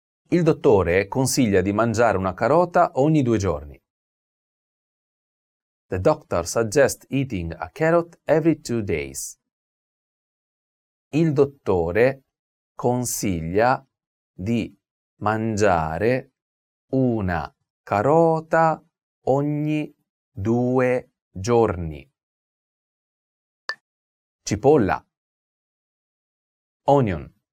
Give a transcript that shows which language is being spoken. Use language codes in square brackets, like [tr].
[it] Il dottore consiglia di mangiare una carota ogni due giorni. [en] The doctor suggests eating a carrot every two days. [it] Il dottore consiglia di mangiare una carota ogni due giorni. Cipolla. [en] Onion.